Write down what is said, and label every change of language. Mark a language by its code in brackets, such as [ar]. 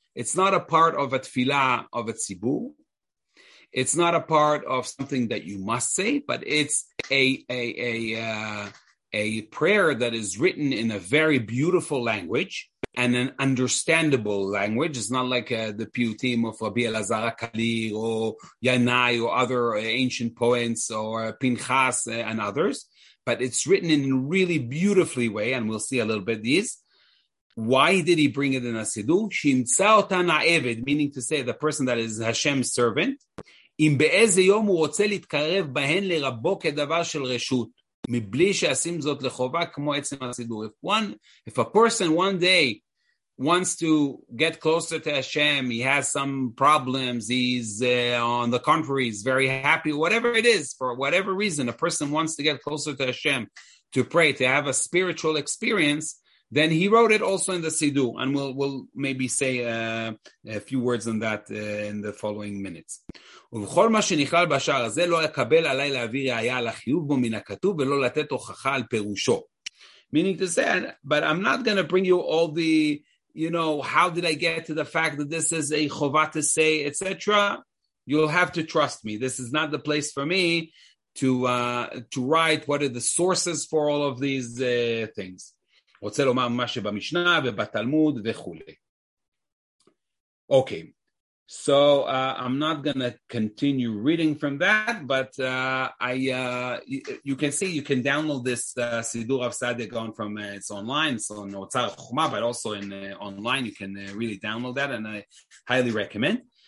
[en] It's not a part of a tefillah of a tzibu. It's not a part of something that you must say, but it's a prayer that is written in a very beautiful language and an understandable language. It's not like the piyutim of Rabbi Elazar HaKalir or Yanai or other ancient poets or Pinchas and others, but it's written in a really beautifully way, and we'll see a little bit these. Why did he bring it in a sidur? [he] Shimtza otan ha'eved, [en] meaning to say the person that is Hashem's servant, [he] אם באיזה יום הוא רוצה להתקרב בהן לרבו כדבר של רשות, מבלי שעשים זאת לחובה כמו עצם הסידור. [en] If a person one day wants to get closer to Hashem, he has some problems, he's on the contrary, he's very happy, whatever it is, for whatever reason, a person wants to get closer to Hashem, to pray, to have a spiritual experience, then he wrote it also in the Siddur, and we'll maybe say a few words on that in the following minutes. [he] ובכל מה שנכלל בשער הזה לא יקבל עליי להעביר ראייה על החיוב בו מן הכתוב ולא לתת הוכחה על פירושו. [en] Meaning to say, but I'm not going to bring you all the, you know, how did I get to the fact that this is a chovah to say, etc. You'll have to trust me. This is not the place for me to write what are the sources for all of these things. [he] רוצה לומר מה שבמשנה ובתלמוד וכו'. [en] Okay. So I'm not going to continue reading from that, but you can download this Siddur Rav Saadia Gaon from it's online, so on Otzar Chuma, but also in online you can really download that, and I highly recommend.